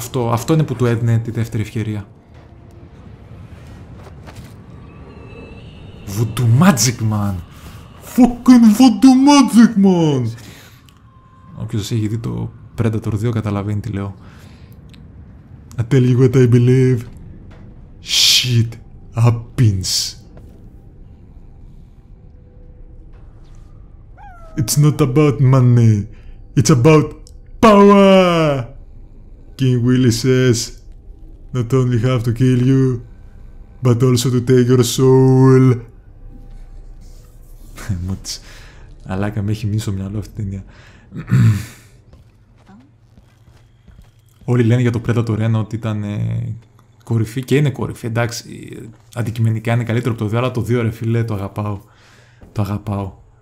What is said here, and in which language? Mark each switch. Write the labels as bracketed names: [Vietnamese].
[Greek] Αυτό είναι που του έδινε τη δεύτερη ευκαιρία. [English] Voodoo Magic Man! Fucking Voodoo Magic Man! Όποιος έχει δει το Predator 2 καταλαβαίνει τι λέω. I tell you what I believe. Shit happens. It's not about money. It's about power. King Willy says, not only have to kill you, but also to take your soul. Μότσι. [Greek] Αλάκα, με έχει μείνει στο μυαλό αυτή την ταινία. Όλοι λένε για το Predator 1 ότι ήταν κορυφή και είναι κορυφή. Εντάξει, αντικειμενικά είναι καλύτερο από το 2, αλλά το 2 ρε φίλε, το αγαπάω. Το αγαπάω.